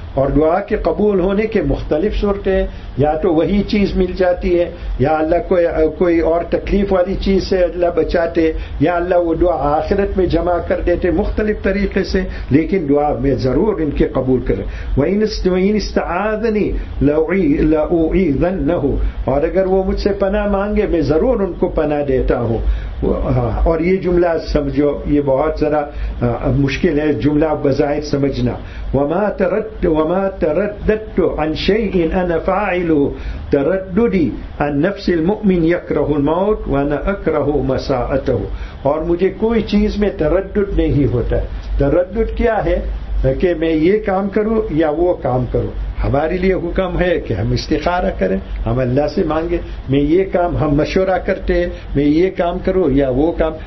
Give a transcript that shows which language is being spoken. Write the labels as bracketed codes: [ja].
[ur] اور دعا کے قبول ہونے کے مختلف صورتیں, یا تو وہی چیز مل جاتی ہے, یا اللہ کوئی اور تکلیف والی چیز سے اللہ بچاتے, یا اللہ وہ دعا آخرت میں جمع کر دیتے, مختلف طریقے سے, لیکن دعا میں ضرور ان کے قبول کر. [ar] وہین استعاذنی لاؤتین [ur] نہ ہو, اور اگر وہ مجھ سے پناہ مانگے میں ضرور ان کو پناہ دیتا ہوں. اور یہ جملہ سمجھو, یہ بہت ذرا مشکل ہے جملہ بظاہر سمجھنا. [ar] وما تردد عن شيء انا فاعله ترددي عن نفس المؤمن يكره الموت وانا اكره مساءته. [ur] اور مجھے کوئی چیز میں تردد نہیں ہوتا. تردد کیا ہے؟ کہ میں یہ کام کروں یا وہ کام کروں. ہمارے لیے حکم ہے کہ ہم استخارہ کریں, ہم اللہ سے مانگیں. میں یہ کام, ہم مشورہ کرتے ہیں, میں یہ کام کروں یا وہ کام.